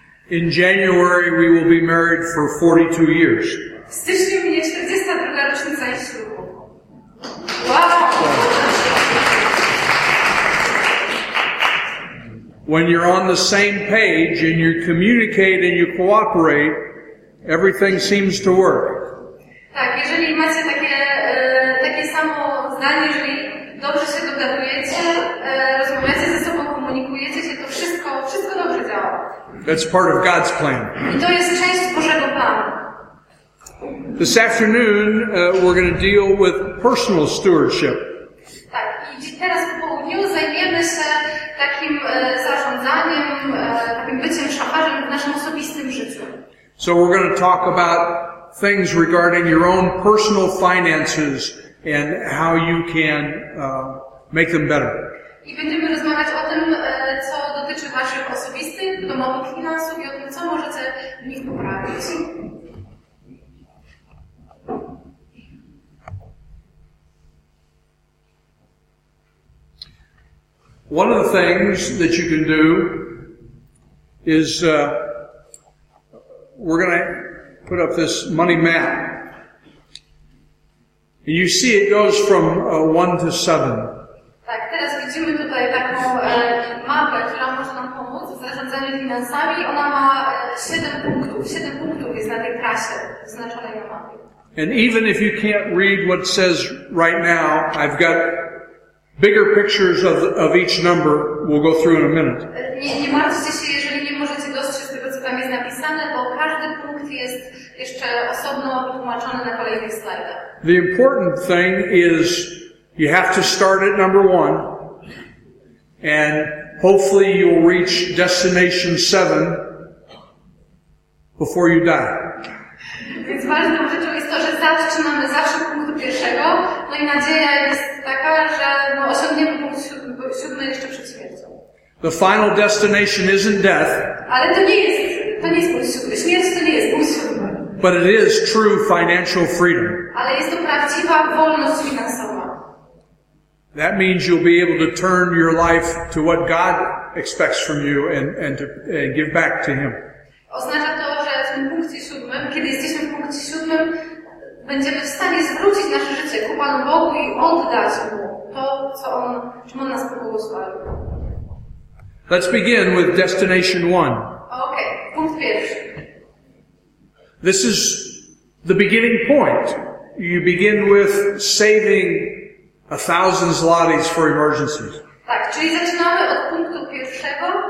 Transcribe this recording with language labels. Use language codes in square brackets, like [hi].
[en] In January we will be married for 42 years. [pl] W styczniu minie 42 rocznica jej ślubu. [en] Wow! When you're on the same page and you communicate and you cooperate, everything seems to work. [pl] Tak, jeżeli macie takie samo zdanie, jeżeli dobrze się dogadujecie, rozmawiacie ze sobą, komunikujecie się, to wszystko dobrze działa. [en] That's part of God's plan. [pl] I to jest część Bożego planu. [en] This afternoon, we're going to deal with personal stewardship. [pl] Tak, i teraz po południu zajmiemy się takim zarządzaniem, takim byciem szacharzem w naszym osobistym życiu. [en] So we're going to talk about things regarding your own personal finances and how you can make them better. [pl] I będziemy rozmawiać o tym, co dotyczy waszych osobistych, domowych finansów i o tym, co możecie w nich poprawić. [en] One of the things that you can do is we're going to put up this money map. And you see it goes from 1 to 7. [pl] Tak, teraz widzimy tutaj taką mapę, która może nam pomóc w zarządzaniu finansami. Ona ma 7 punktów. 7 punktów jest na tej trasie wyznaczonej na mapie. [en] And even if you can't read what it says right now, I've got bigger pictures of each number we'll go through in a minute. [pl] Nie martwcie się, jeżeli nie możecie dostrzec tego, co tam jest napisane, bo każdy punkt jest jeszcze osobno wytłumaczony na kolejnych slajdach. [en] The important thing is you have to start at number 1 and hopefully you'll reach destination 7 before you die. [pl] Więc ważną rzeczą jest to, że zaczynamy zawsze punktu pierwszego, no i nadzieja jest taka, że osiągniemy punkt 7 jeszcze przed śmiercią. [en] The final destination isn't death. [pl] Ale to nie jest punkt 7. Śmierć to nie jest punkt 7. [en] But it is true financial freedom. [pl] Ale jest to prawdziwa wolność finansowa. [en] That means you'll be able to turn your life to what God expects from you and give back to Him. [pl] Oznacza to, że w tym punkcie 7, kiedy jesteśmy w punkcie 7, będziemy w stanie zwrócić nasze życie ku Panu Bogu i oddać Mu to, czym On nas pobłogosławił. [en] Let's begin with destination 1. [pl] Okay, punkt pierwszy. [en] This is the beginning point. You begin with saving 1,000 zlotys for emergencies. [pl] Tak, czyli zaczynamy od punktu pierwszego.